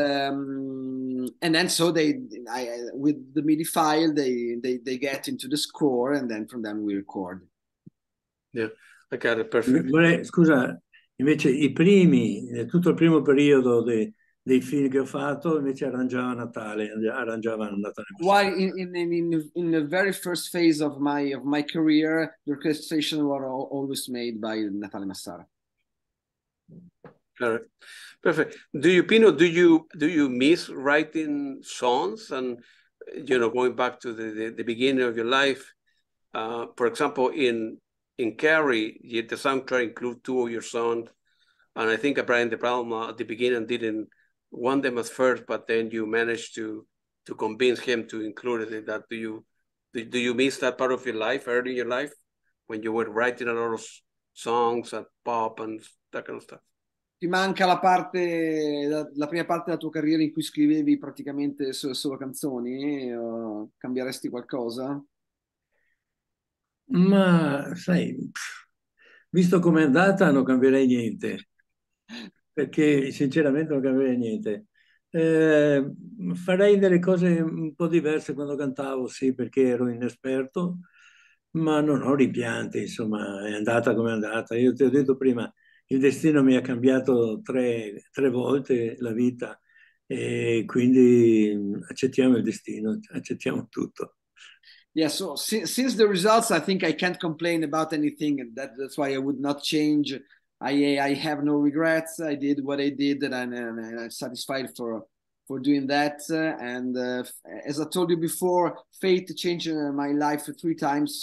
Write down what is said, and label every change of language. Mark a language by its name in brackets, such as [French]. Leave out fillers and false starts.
[English] And then so with the MIDI file, they get into the score, and then from then we record. Yeah, I got it, perfect. [Italian] Vorrei, scusa, invece i primi, tutto il primo periodo dei film che ho fatto, invece arrangiavano Natale [English] While [Italian] Massaro. [English] in the very first phase of my career, the orchestration were always made by Natale Massara. All right. Perfect. Do you, Pino, do you miss writing songs and, going back to the beginning of your life? For example, in Carrie, the soundtrack include two of your songs, and I think Brian De Palma at the beginning didn't want them at first, but then you managed to convince him to include it. In that, do you miss that part of your life, early in your life, when you were writing a lot of songs and pop and that kind of stuff? [Italian] Ti manca la prima parte della tua carriera in cui scrivevi praticamente solo canzoni? O cambieresti qualcosa? Ma sai, visto com'è andata, non cambierei niente, perché sinceramente non cambierei niente. Farei delle cose un po' diverse quando cantavo, sì, perché ero inesperto, ma non ho rimpianti, insomma, è andata come è andata. Io ti ho detto prima, il destino mi ha cambiato tre volte la vita e quindi accettiamo il destino, accettiamo tutto. [English] Yeah, so since the results, I think I can't complain about anything. That's why I would not change. I have no regrets. I did what I did, and I'm satisfied for doing that. And as I told you before, fate changed my life 3 times.